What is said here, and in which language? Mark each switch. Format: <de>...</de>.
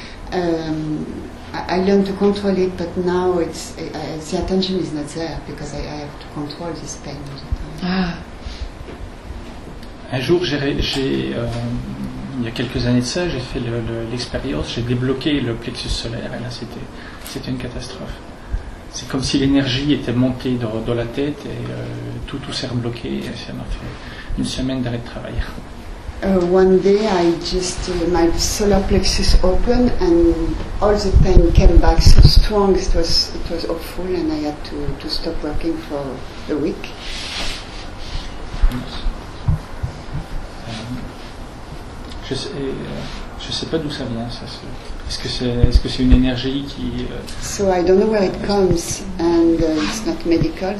<en>I learned to control it, but now it's the attention is not there because I have to control this pain. Ah.</en> <fr>Un jour, il y a quelques années de ça, j'ai fait l'expérience, j'ai débloqué le plexus solaire, et là c'était une catastrophe. C'est comme si l'énergie était montée dans la tête et tout s'est rebloqué. Et ça m'a fait une semaine d'arrêt de travail.</fr> <en>One day, I just my solar plexus opened and all the pain came back so strong. It was awful, and I had to stop working for a week.</en> <fr>Je sais pas d'où ça vient. Ça, est-ce que c'est une énergie qui?</fr> <en>So I don't know where it comes, and it's not medical.</en>